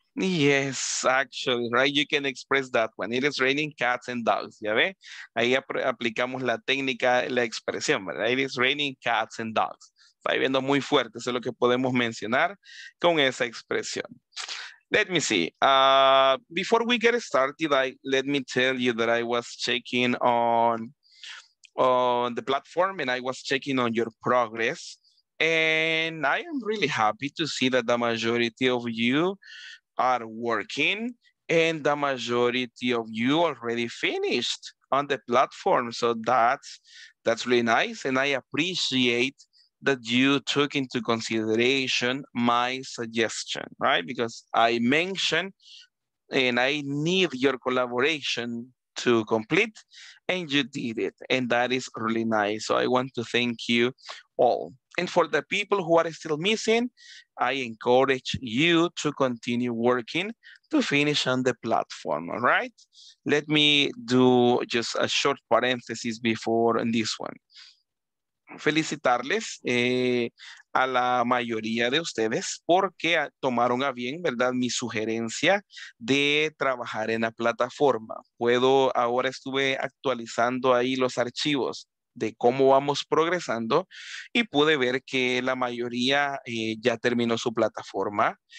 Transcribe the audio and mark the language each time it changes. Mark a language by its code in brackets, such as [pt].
[en] Yes, actually, right? You can express that one. It is raining cats and dogs. [es] ¿Ya ve? Ahí aplicamos la técnica, la expresión, ¿verdad? [en] It is raining cats and dogs. [es] Está lloviendo muy fuerte. Eso es lo que podemos mencionar con esa expresión. [en] Let me see. Before we get started, let me tell you that I was checking on the platform and I was checking on your progress. And I am really happy to see that the majority of you are working and the majority of you already finished on the platform. So that's really nice. And I appreciate that you took into consideration my suggestion, right? Because I mentioned and I need your collaboration to complete and you did it. And that is really nice. So I want to thank you all. And for the people who are still missing, I encourage you to continue working to finish on the platform, all right? Let me do just a short parenthesis before this one. [es] Felicitarles a la mayoría de ustedes porque tomaron a bien, ¿verdad?, mi sugerencia de trabajar en la plataforma. Ahora estuve actualizando ahí los archivos de cómo vamos progresando y pude ver que la mayoría ya terminó su plataforma.